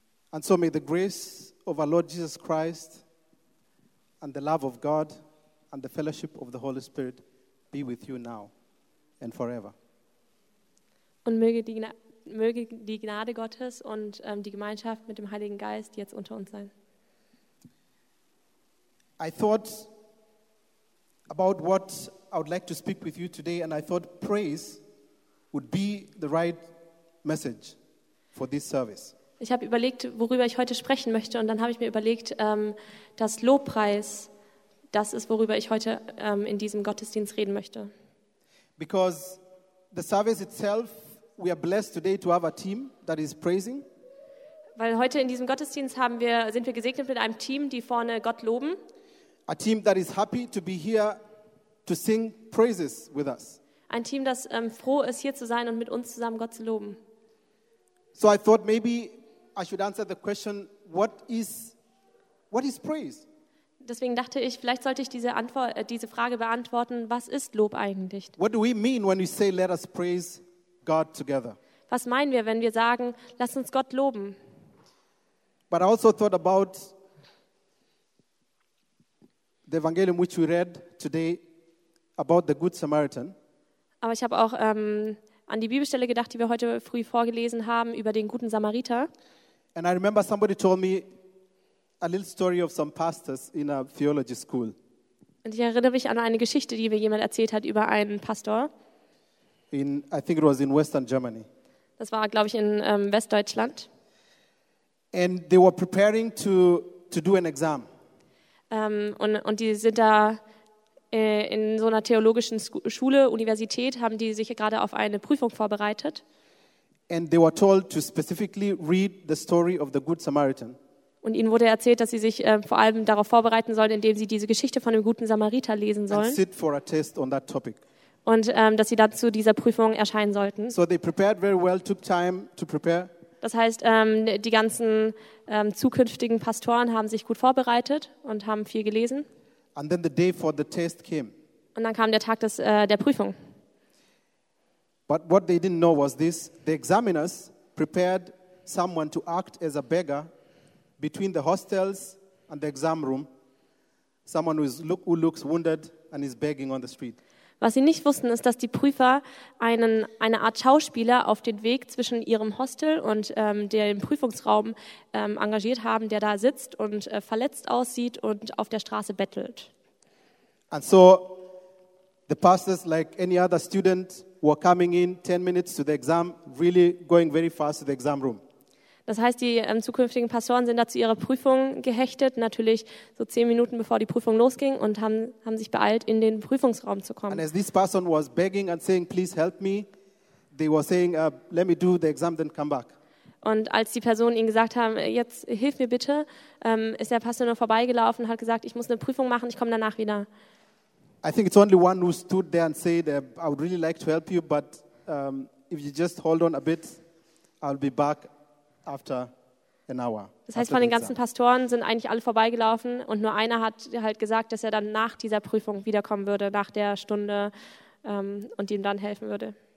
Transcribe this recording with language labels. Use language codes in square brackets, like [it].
[en] And so may the grace of our Lord Jesus Christ and the love of God and the fellowship of the Holy Spirit be with you now and forever. [de] Und möge die Gnade Gottes und die Gemeinschaft mit dem Heiligen Geist jetzt unter uns sein. [en] I thought about what I would like to speak with you today, and I thought praise would be the right message for this service. [de] Ich habe überlegt, worüber ich heute sprechen möchte, und dann habe ich mir überlegt, dass Lobpreis das ist, worüber ich heute in diesem Gottesdienst reden möchte. [en] Because the service itself, we are blessed today to have a team that is praising. [de] Weil heute in diesem Gottesdienst sind wir gesegnet mit einem Team, die vorne Gott loben. [en] A team that is happy to be here to sing praises with us. [de] Ein Team, das froh ist, hier zu sein und mit uns zusammen Gott zu loben. [en] So I thought maybe I should answer the question, what is praise? [de] Deswegen dachte ich, vielleicht sollte ich diese Frage beantworten, was ist Lob eigentlich? [en] What do we mean when we say let us praise God together? [de] Was meinen wir, wenn wir sagen, lass uns Gott loben? [en] But I also thought about the evangelium which we read today about the good Samaritan. [de] Aber ich habe auch an die Bibelstelle gedacht, die wir heute früh vorgelesen haben, über den guten Samariter. [en] And I remember somebody told me a little story of some pastors in a theology school. [de] Und ich erinnere mich an eine Geschichte, die mir jemand erzählt hat über einen Pastor. [en] I think it was in Western Germany. [de] Das war, glaube ich, in Westdeutschland. [en] And they were preparing to do an exam. [de] Und die sind da in so einer theologischen Schule, Universität, haben die sich gerade auf eine Prüfung vorbereitet. [en] And they were told to specifically read the story of the Good Samaritan. [de] Und ihnen wurde erzählt, dass sie sich vor allem darauf vorbereiten sollen, indem sie diese Geschichte von dem guten Samariter lesen sollen. [en] And sit for a test on that topic. [de] Und dass sie dazu dieser Prüfung erscheinen sollten. [en] So they prepared very well, took time to prepare. [de] Das heißt, die ganzen zukünftigen Pastoren haben sich gut vorbereitet und haben viel gelesen. [en] And then the day for the test came. [de] Und dann kam der Tag der Prüfung. [en] But what they didn't know was this: the examiners prepared someone to act as a beggar between the hostels and the exam room. Someone who looks wounded and is begging on the street. [de] Was sie nicht wussten, ist, dass die Prüfer eine Art Schauspieler auf den Weg zwischen ihrem Hostel und dem Prüfungsraum engagiert haben, der da sitzt und verletzt aussieht und auf der Straße bettelt. [en] And so the pastors, like any other student, were coming in 10 minutes to the exam, really going very fast to the exam room. [de] Das heißt, die zukünftigen Pastoren sind da zu ihrer Prüfung gehechtet, natürlich so 10 Minuten, bevor die Prüfung losging, und haben sich beeilt, in den Prüfungsraum zu kommen. [en] And as this person was begging and saying, please help me, they were saying, let me do the exam, then come back. [de] Und als die Personen ihnen gesagt haben, jetzt hilf mir bitte, ist der Pastor nur vorbeigelaufen und hat gesagt, ich muss eine Prüfung machen, ich komme danach wieder. [en] I think it's only one who stood there and said, I would really like to help you, but if you just hold on a bit, I'll be back. After an hour. [de] Das heißt, von den ganzen Pastoren sind eigentlich alle vorbeigelaufen und nur einer hat halt gesagt, dass er dann nach dieser Prüfung wiederkommen würde, nach der Stunde, und ihm dann helfen würde.